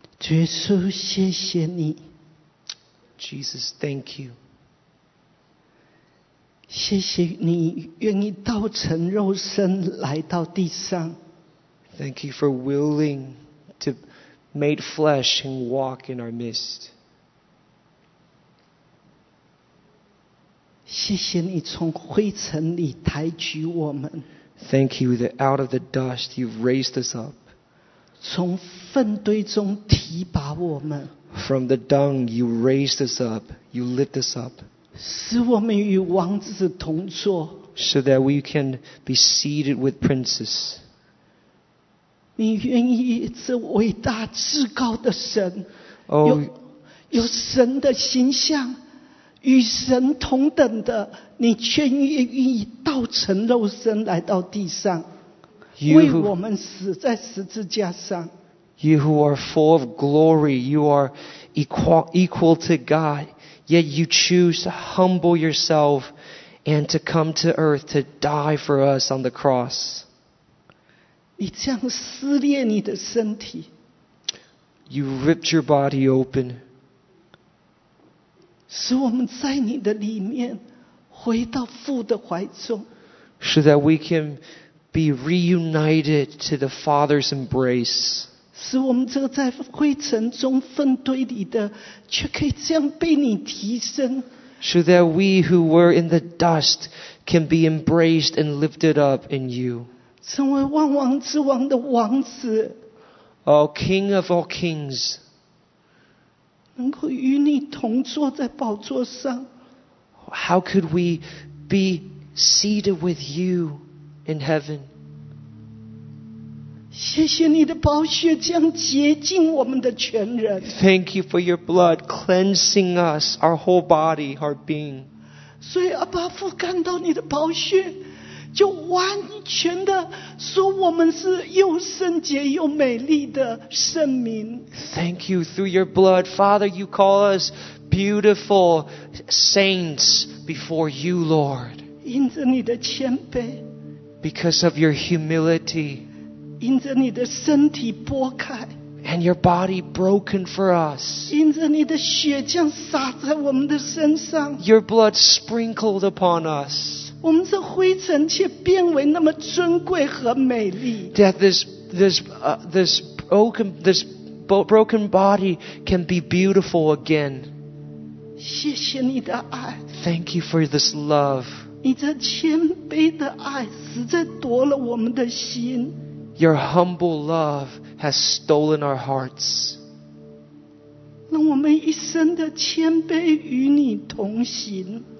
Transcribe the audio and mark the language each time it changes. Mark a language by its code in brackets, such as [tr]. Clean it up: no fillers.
[zh] 耶稣，谢谢你。 [en] Jesus, thank you. [zh] 谢谢你愿意道成肉身来到地上。 [en] Thank you for willing to make flesh and walk in our midst. [zh] 谢谢你从灰尘里抬举我们。 [en] Thank you that out of the dust you've raised us up. [zh] 从粪堆中提拔我们。 [en] From the dung, you raised us up, you lift us up. [zh] 使我们与王子同坐。 [en] So that we can be seated with princes. [zh] 你愿意这伟大至高的神，有神的形象，与神同等的，你却愿意道成肉身来到地上，为我们死在十字架上。 [en] You who are full of glory, you are equal to God, yet you choose to humble yourself and to come to earth to die for us on the cross. [zh] 你这样撕裂你的身体。 [en] You ripped your body open. [zh] 使我们在你的里面回到父的怀中。 [en] So that we can be reunited to the Father's embrace. [zh] 使我们这个在灰尘中粪堆里的，却可以这样被你提升。 [en] So that we who were in the dust can be embraced and lifted up in you. [zh] 成为万王之王的王子。 [en] O King of all kings. [zh] 能够与你同坐在宝座上。 [en] How could we be seated with you in heaven? [zh] 谢谢你的宝血将洁净我们的全人。 [en] Thank you for your blood cleansing us, our whole body, our being. [zh] 所以阿爸父看到你的宝血就完全的说我们是又圣洁又美丽的圣民。 [en] Thank you through your blood, Father, you call us beautiful saints before you, Lord. [zh] 因着你的谦卑。 [en] Because of your humility. [zh] 因着你的身体剥开。 [en] And your body broken for us. [zh] 因着你的血浆洒在我们的身上。 [en] Your blood sprinkled upon us. [zh] 我们这灰尘却变为那么尊贵和美丽。 [en] That this broken body can be beautiful again. [zh] 谢谢你的爱。 [en] Thank you for this love. [zh] 你这谦卑的爱实在夺了我们的心。 [en] Your humble love has stolen our hearts. [zh] 让我们一生的谦卑与你同行。